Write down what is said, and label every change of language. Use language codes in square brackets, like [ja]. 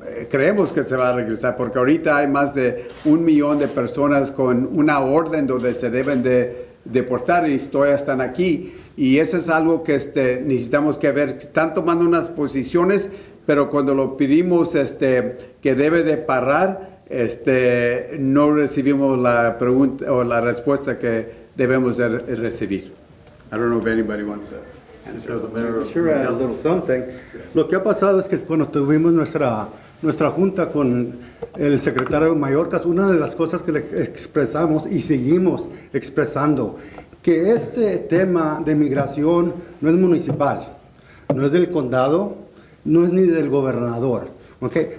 [es] Creemos que se va a regresar, porque ahorita hay más de 1 millón de personas con una orden donde se deben de deportar y todavía están aquí. Y eso es algo que necesitamos que ver. Están tomando unas posiciones, pero cuando lo pedimos que debe de parar, no recibimos la pregunta o la respuesta que debemos de recibir. [en] I don't know if anybody wants to answer. Sure, a little something. [es] Lo que ha pasado es que cuando tuvimos nuestra junta con el secretario Mayorkas, una de las cosas que le expresamos y seguimos expresando, que este tema de migración no es municipal, no es del condado, no es ni del gobernador. Okay.